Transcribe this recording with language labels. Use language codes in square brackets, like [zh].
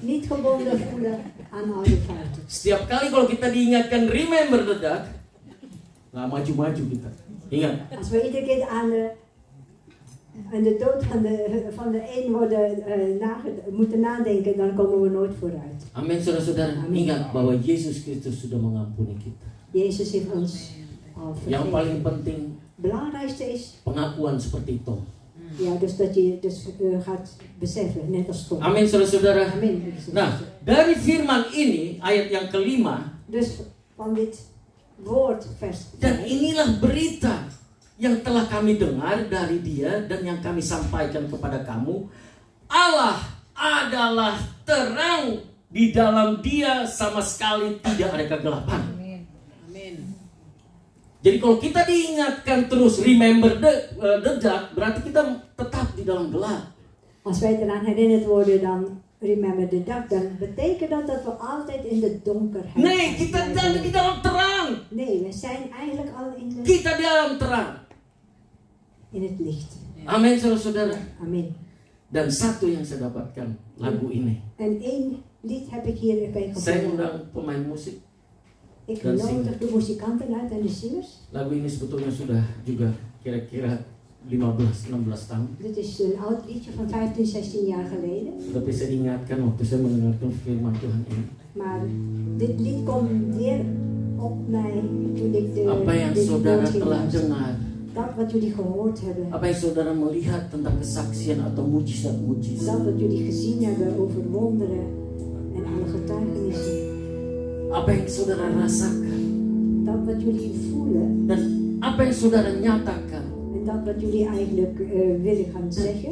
[nl] Niet gebonden voelen aan oude fouten. [id] Setiap kali kalau kita diingatkan [en] remember the dark, [id] nggak maju-maju kita. Ingat. [nl] Als we iedere keer aan de dood van de een worden moeten nadenken, dan komen we nooit vooruit. [id] Amen, saudara-saudara. Amen. Ingat bahwa Yesus Kristus sudah mengampuni kita. [nl] Yesus heeft ons al vergeven. [id] Yang paling penting. [nl] Belangrijkste is. [id] Pengakuan seperti itu. [nl] Ja, dus dat je dus gaat beseffen, net als God. [id] Amen, saudara-saudara. Amen. Nah, dari firman ini, ayat yang kelima. [nl] Dus van dit woord, vers 5. [id] Dan inilah berita yang telah kami dengar dari dia dan yang kami sampaikan kepada kamu. Allah adalah terang, di dalam dia sama sekali tidak ada kegelapan. Jadi kalau kita diingatkan terus [en] remember the dark, [id] berarti kita tetap di dalam gelap. [nl] Als wij eraan herinnerd worden dan [en] remember the dark, [nl] dan betekent dat we altijd in de donkerheid. [id] Nee, kita di dalam terang. [nl] Nee, we zijn eigenlijk al in de. [id] Kita di dalam terang. [nl] In het licht. [id] Amen, saudara-saudara. Amen. Dan satu yang saya dapatkan lagu ini. [nl] En één lied heb ik hier bij gevonden. [id] Saya undang pemain musik. [nl] Ik nodig de muzikanten uit en de zingers. [id] Lagu ini sebetulnya sudah juga kira-kira 15-16 tahun. [nl] Dit is een oud liedje van 15-16 jaar geleden. [id] Tapi saya ingatkan waktu saya mendengarkan firman Tuhan ini. [nl] Maar dit lied komt weer op mij toen ik de. [id] Apa yang saudara telah dengar? [nl] Dat wat jullie gehoord hebben. [id] Apa yang saudara melihat tentang kesaksian atau mujizat-mujizat? [nl] Dat wat jullie gezien hebben over wonderen en alle getuigenissen. [id] Apa yang saudara rasakan? [nl] Dat wat jullie voelen. [id] Dan apa yang saudara nyatakan? [nl] En dat wat jullie eigenlijk willen gaan zeggen.